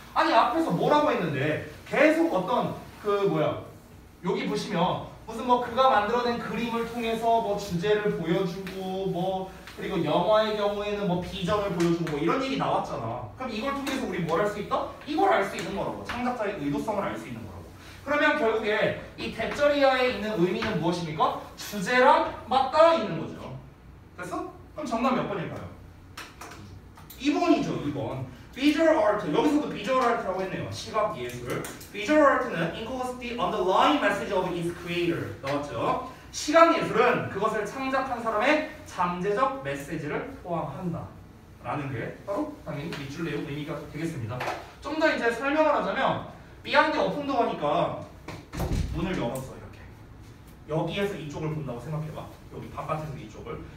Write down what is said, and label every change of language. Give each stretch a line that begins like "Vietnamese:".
Korean: 아니 앞에서 뭐라고 했는데 계속 어떤 그 뭐야 여기 보시면 무슨 뭐 그가 만들어낸 그림을 통해서 뭐 주제를 보여주고 뭐 그리고 영화의 경우에는 뭐 비전을 보여주고 뭐 이런 얘기 나왔잖아. 그럼 이걸 통해서 우리 뭘 할 수 있다? 이걸 알 수 있는 거라고. 창작자의 의도성을 알 수 있는 거라고. 그러면 결국에 이 대저리아에 있는 의미는 무엇입니까? 주제랑 맞닿아 있는 거죠. 됐어? 그럼 정답 몇 번일까요? 2번이죠. 2번. Visual art, 여기서도 visual art라고 했네요. 시각 예술.
English: Visual art는 includes the underlying message of its creator.
Korean: 나왔죠? 시각 예술은 그것을 창작한 사람의 잠재적 메시지를 포함한다. 라는 게 바로 당연히 밑줄 내용 의미가 되겠습니다. 좀 더 이제 설명을 하자면 B한테 어풍도 하니까 문을 열었어. 이렇게 여기에서 이쪽을 본다고 생각해봐. 여기 바깥에서 이쪽을.